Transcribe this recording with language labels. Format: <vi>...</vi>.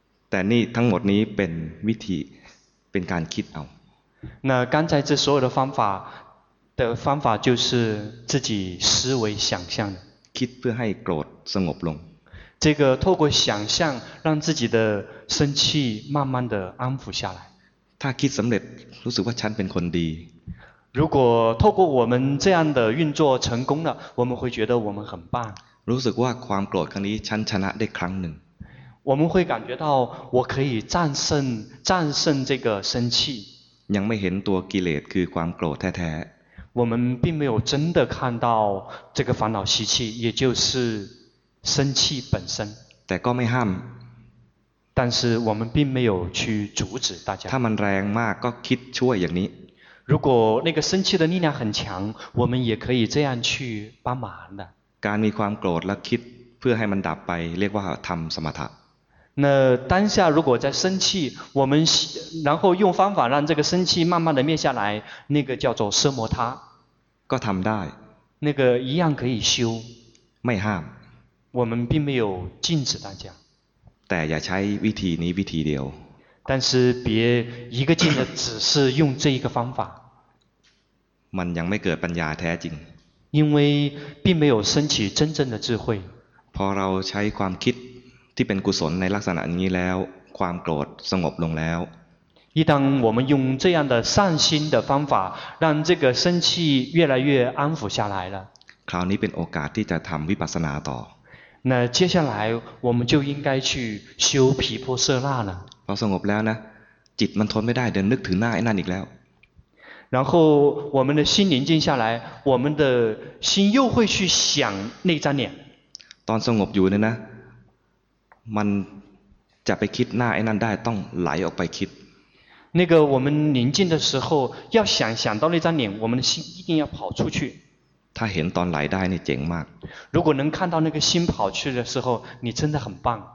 <th>แต่นี่ทั้งหมดนี้เป็นวิธีเป็นการคิดเอา</th> <zh>那刚才这所有的方法就是自己思维想象</zh> <th>คิดเพื่อให้โกรธสงบลง</th> <zh>这个透过想象让自己的生气慢慢的安抚下来</zh> <th>ถ้าคิดสำเร็จรู้สึกว่าฉันเป็นคนดี</th> <zh>如果透过我们这样的运作成功了我们会觉得我们很棒</zh> <th>รู้สึกว่าความโกรธครั้งนี้ฉันชนะได้ครั้งหนึ่ง</th> <zh>我们会感觉到我可以战胜这个生气</zh> <th>ยังไม่เห็นตัวกิเลสคือความโกรธแท้</th> <zh>ๆ我们并没有真的看到这个烦恼习气也就是生气本身</zh> <th>แต่ก็ไม่ห้าม</th> <zh>但是我们并没有去阻止大家</zh> <th>ถ้ามันแรงมากก็คิดช่วยอย่างนี้</th> <zh>如果那个生气的力量很强我们也可以这样去帮忙的</zh> <th>การมีความโกรธแล้วคิดเพื่อให้มันดับไปเรียกว่าทำสมถะ</th> <zh>那当下如果在生气，我们然后用方法让这个生气慢慢的灭下来，那个叫做奢摩他。</zh> <th>ก็ทำได้</th> <zh>。 那个一样可以修。</zh> <th>ไม่ห้าม。</th> <zh>我们并没有禁止大家。</zh> <th>แต่อย่าใช้วิธีนี้วิธีเดียว。</th> <zh>但是别一个劲的只是用这一个方法。</zh> <th>มันยังไม่เกิดปัญญาแท้จริง。</th> <zh>因为并没有升起真正的智慧。</zh> <th>พอเราใช้ความคิดที่เป็นกุศลในลักษณะนี้แล้วความโกรธสงบลงแล้ว</th> <zh>一旦我们用这样的善心的方法让这个生气越来越安抚下来了</zh> <th>คราวนี้เป็นโอกาสที่จะทำวิปัสสนาต่อ</th> <zh>那接下来我们就应该去修毗婆舍那了</zh> <th>พอสงบแล้วนะจิตมันทนไม่ได้เดินนึกถึงหน้าไอ้นั่นอีกแล้ว</th> <zh>然后我们的心宁静下来我们的心又会去想内障念</zh> <th>ตอนสงบอยู่เนี่ยนะมันจะไปคิดหน้าไอ้นั่นได้ต้องไหลออกไปคิด</th> <zh>那个我们宁静的时候要想想到那张脸我们的心一定要跑出去</zh> <th>ถ้าเห็นตอนไหลได้เนี่ยเจ๋งมาก</th> <zh>如果能看到那个心跑去的时候你真的很棒</zh>